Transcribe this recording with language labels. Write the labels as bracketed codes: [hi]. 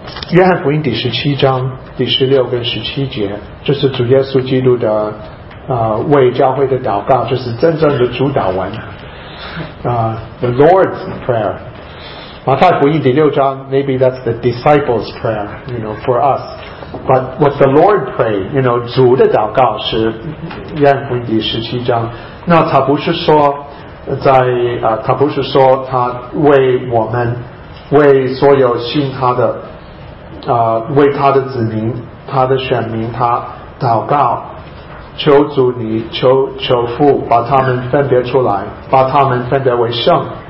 [zh] 约翰福音第十七章第十六跟十七节，这是主耶稣基督的为教会的祷告，就是真正的主祷文，The Lord's Prayer。马太福音第六章 [en] ，Maybe that's the disciples' prayer, you know, for us. But what the Lord pray, you know, [zh] 主的祷告是约翰福音第十七章。那他不是说在他不是说他为我们，为所有信他的为他的子民、他的选民，他祷告，求主你求父把他们分别出来，把他们分别为圣。